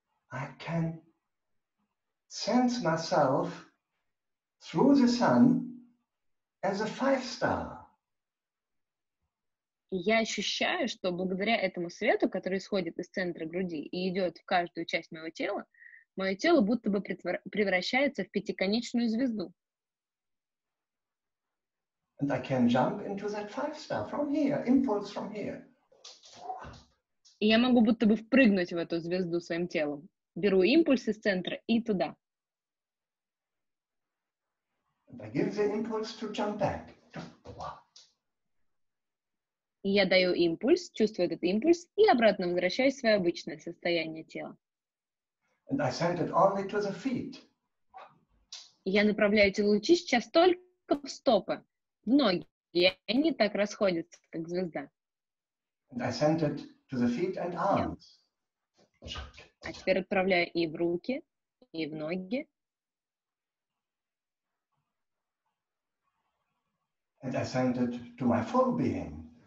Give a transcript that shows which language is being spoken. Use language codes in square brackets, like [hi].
[en] I can sense myself through the sun as a five star. [ru] Я ощущаю, что благодаря этому свету, который исходит из центра груди и идет в каждую часть моего тела будто бы превращается в пятиконечную звезду. [en] And I can jump into that five star from here, impulse from here. [ru] И я могу будто бы впрыгнуть в эту звезду своим телом. Беру импульс из центра и туда. [en] And I give the impulse to jump back. [ru] И я даю импульс, чувствую этот импульс, и обратно возвращаюсь в свое обычное состояние тела. [en] And I send it only to the feet. [ru] Я направляю эти лучи сейчас только в стопы, в ноги, и они так расходятся, как звезда. [en] And I send it to the feet and arms. [ru] А теперь отправляю и в руки, и в ноги. [en] And I send it to my full being.